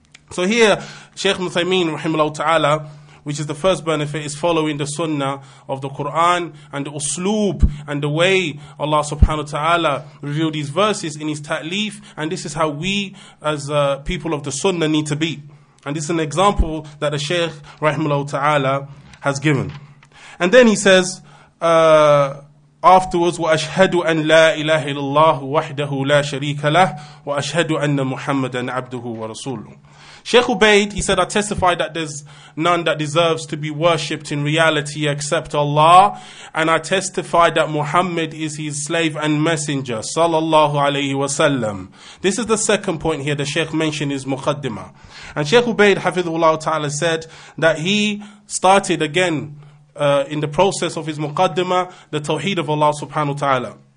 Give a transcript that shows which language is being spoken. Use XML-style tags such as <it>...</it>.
<en>So here, Shaykh Muthaymin rahimahullah ta'ala, which is the first benefit, is following the sunnah of the Quran and the usloob and the way Allah subhanahu wa ta'ala revealed these verses in His ta'leef. And this is how we as people of the sunnah need to be. And this is an example that the Shaykh rahimahullah ta'ala has given. And then he says, afterwards,</en> <ar>وَأَشْهَدُ أَنْ لَا إِلَهِ لِلَّهُ وَحْدَهُ لَا شَرِيكَ لَهُ وَأَشْهَدُ أَنَّ مُحَمَّدًا عَبْدُهُ وَرَسُولُهُ.</ar> <en>Shaykh Ubaid, he said, I testify that there's none that deserves to be worshipped in reality except Allah, and I testify that Muhammad is His slave and messenger, sallallahu alayhi wa sallam. This is the second point here the Shaykh mentioned is Muqaddima. And Shaykh Ubaid, hafidhullah ta'ala, said that he started again in the process of his Muqaddima, the Tawheed of Allah subhanahu wa ta'ala.</en>